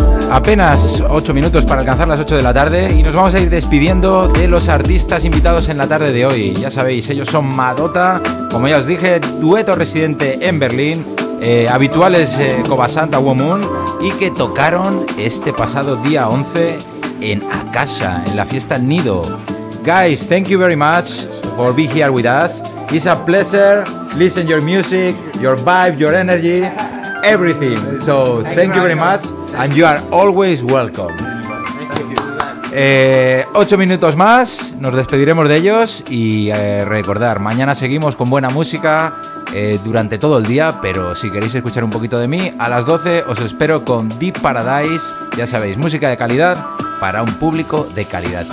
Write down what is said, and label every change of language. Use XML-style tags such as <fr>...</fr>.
<es>apenas 8 minutos para alcanzar las 8 de la tarde y nos vamos a ir despidiendo de los artistas invitados en la tarde de hoy. Ya sabéis, ellos son Madota, como ya os dije, dueto residente en Berlín, habituales Covasanta Womun, y que tocaron este pasado día 11 en Akasha, en la fiesta Nido.</es> <en>Guys, thank you very much for being here with us. It's a pleasure. Listen your music, your vibe, your energy, everything. So thank you very much, and you are always welcome.</en> <es>8 minutos más, nos despediremos de ellos y recordar, mañana seguimos con buena música durante todo el día, pero si queréis escuchar un poquito de mí, a las 12 os espero con Deep Paradise. Ya sabéis, música de calidad para un público de calidad.</es>